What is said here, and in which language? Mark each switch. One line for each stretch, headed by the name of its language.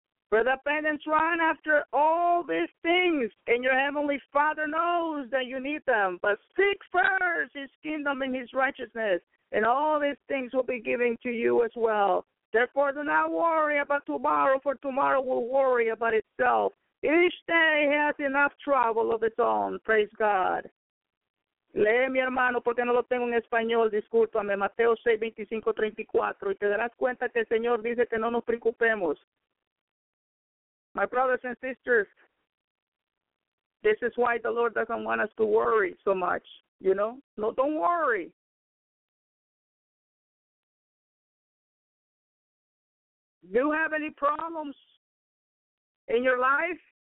English: For the pagans run after all these things, and your heavenly Father knows that you need them. But seek first his kingdom and his righteousness, and all these things will be given to you as well. Therefore, do not worry about tomorrow, for tomorrow will worry about itself. Each day has enough trouble of its own. Praise God.
Spanish: Lee, mi hermano, porque no lo tengo en español, discúlpame, Mateo 6:25-34, y te darás cuenta que el Señor dice que no nos preocupemos.
English: My brothers and sisters, this is why the Lord doesn't want us to worry so much, you know? No, don't worry. Do you have any problems in your life?